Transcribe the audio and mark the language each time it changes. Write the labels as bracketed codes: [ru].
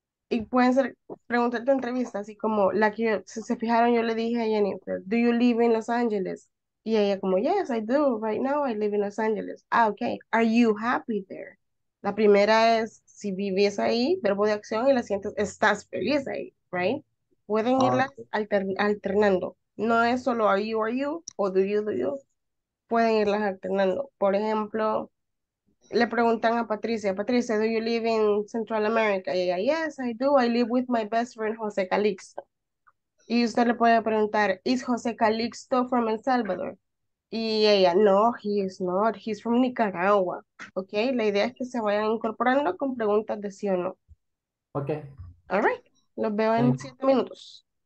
[es] Y pueden ser preguntas de entrevista, así como la que yo, si se fijaron, yo le dije a Jennifer, [en] do you live in Los Angeles? [es] Y ella como, [en] yes, I do. Right now I live in Los Angeles. Ah, okay. Are you happy there? [es] La primera es, si vives ahí, verbo de acción, y la siguiente es, ¿estás feliz ahí? Right? Pueden irlas alternando. No es solo are you, o do you. Pueden irlas alternando. Por ejemplo, le preguntan a Patricia, Patricia, [en] do you live in Central America? [es] Y ella, [en] yes, I do. I live with my best friend, José Calixto. [es] Y usted le puede preguntar, [en] is José Calixto from El Salvador? [es] Y ella, [en] no, he is not, he's from Nicaragua. [es] Ok, la idea es que se vayan incorporando con preguntas de sí o no. Ok. All right, los veo en 7 minutos.